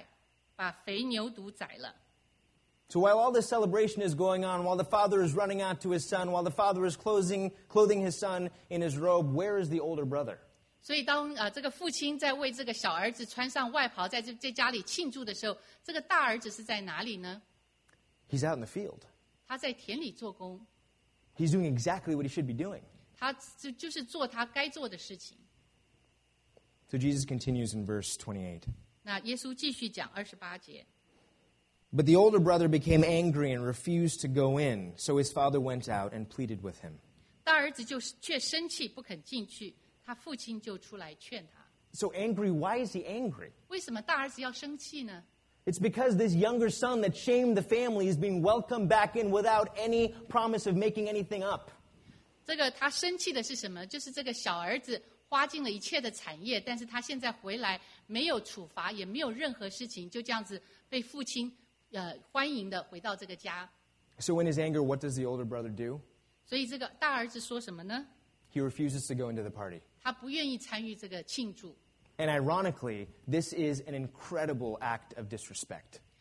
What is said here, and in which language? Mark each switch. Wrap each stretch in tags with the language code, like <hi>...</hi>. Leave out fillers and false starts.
<zh>就听见奏乐跳舞的声音，便叫一个仆人过来说：“是什么事情？”仆人说：“你兄弟来了，你父亲因为得他无灾无病的回来，把肥牛犊宰了。”</zh> <en>So while all this celebration is going on, while the father is running out to his son, while the father is clothing his son in his robe, where is the older brother?</en> <zh>所以当这个父亲在为这个小儿子穿上外袍，在家里庆祝的时候，这个大儿子是在哪里呢？</zh> <en>He's out in the field.</en> <zh>他在田里做工。</zh> <en>He's doing exactly what he should be doing.</en> <zh>他就是做他该做的事情。</zh> <en>So Jesus continues in verse 28.</en> <zh>那耶稣继续讲28节。</zh> <en>But the older brother became angry and refused to go in, so his father went out and pleaded with him.</en> <zh>大儿子却生气不肯进去，他父亲就出来劝他。</zh> <en>So angry, why is he angry?</en> <zh>为什么大儿子要生气呢？</zh> <en>It's because this younger son that shamed the family is being welcomed back in without any promise of making anything up.</en> <zh>这个他生气的是什么？就是这个小儿子花尽了一切的产业，但是他现在回来没有处罚，也没有任何事情，就这样子被父亲。</zh> <en>So in his anger, what does the older brother do?</en> <zh>所以这个大儿子说什么呢?</zh> <en>He refuses to go into the party.</en> <zh>他不愿意参与这个庆祝。</zh> <en>And ironically, this is an incredible act of disrespect.</en>